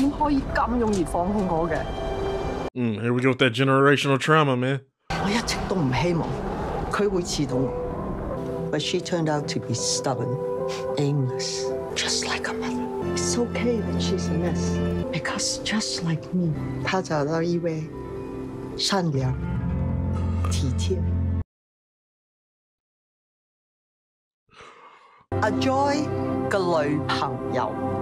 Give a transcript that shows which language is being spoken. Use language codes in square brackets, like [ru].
[en] Here we go with that generational trauma, man. [zh] 我一直都不希望他会刺痛我, [en] but she turned out to be stubborn, aimless, just like a mother. It's okay that she's a mess, because just like me, [zh] 她找到一位善良、体贴, [en] a joy [zh] 的女朋友.